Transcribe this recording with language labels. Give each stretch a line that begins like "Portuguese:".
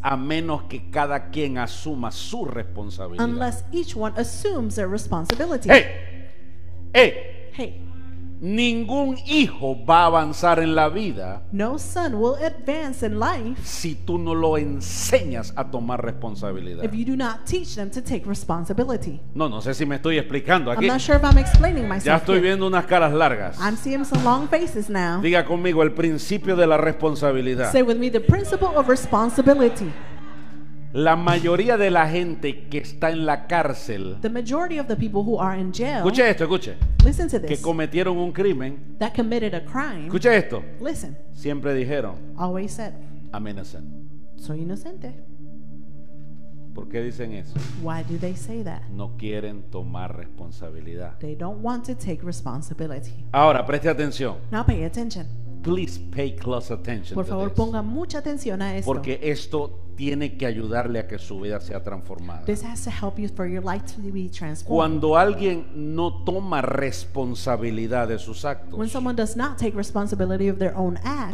Spanish: A menos que cada quien asuma su responsabilidad.
English: Unless each one assumes their responsibility. Hey. Hey. Hey.
Spanish: Ningún hijo va a avanzar en la vida.
English: No son will advance in life.
Spanish: Si tú no lo enseñas a tomar responsabilidad.
English: If you do not teach them to take responsibility.
Spanish: No, no sé si me estoy explicando aquí.
English: I'm not sure if I'm explaining myself.
Spanish: Ya estoy viendo unas caras largas.
English: I'm seeing some long faces now.
Spanish: Diga conmigo el principio de la responsabilidad.
English: Say with me the principle of responsibility.
Spanish: La mayoría de la gente que está en la cárcel.
English: The majority of the people who are in jail.
Spanish: Escuche esto, escuche.
English: Listen to this.
Spanish: Que cometieron un crimen.
English: That committed a crime.
Spanish: Escuche esto.
English: Listen.
Spanish: Siempre dijeron.
English: Always said. I'm innocent.
Spanish: Soy inocente. ¿Por qué dicen eso?
English: Why do they say that?
Spanish: No quieren tomar responsabilidad.
English: They don't want to take responsibility.
Spanish: Ahora, preste atención.
English: Now pay attention. Please pay close attention.
Spanish: Por favor,
English: to this.
Spanish: Ponga mucha atención a esto. Porque esto tiene que ayudarle a que su vida sea transformada.
English: This has to help you for your life to be transformed.
Spanish: Cuando alguien no toma responsabilidad de sus actos.
English: When someone does not take responsibility of their own acts.